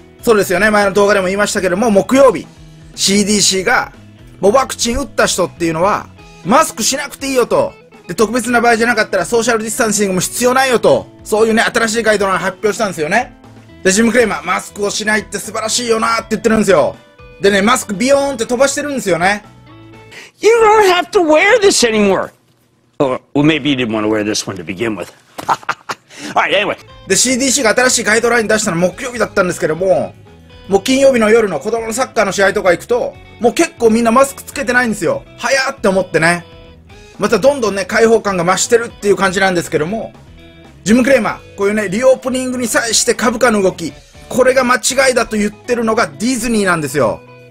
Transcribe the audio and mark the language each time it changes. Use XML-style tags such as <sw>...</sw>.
<ja>そうですよね、前の動画でも言いましたけども、木曜日CDC が、もうワクチン打った人っていうのは、マスクしなくていいよと。で、特別な場合じゃなかったら、ソーシャルディスタンシングも必要ないよと。そういうね、新しいガイドラン発表したんですよね。で、ジム・クレーマー、マスクをしないって素晴らしいよなって言ってるんですよ。でね、マスクビヨーンって飛ばしてるんですよね。</ja> <en>You don't have to wear this anymore! Or, maybe you didn't want to wear this one to begin with. Alright, anyway.</en> <ja>で、CDC が新しいガイドライン出したの木曜日だったんですけども、もう金曜日の夜の子供のサッカーの試合とか行くと、もう結構みんなマスクつけてないんですよ。早ーって思ってね。またどんどんね、開放感が増してるっていう感じなんですけども、ジム・クレーマー、こういうね、リオープニングに際して株価の動き、これが間違いだと言ってるのがディズニーなんですよ。</ja>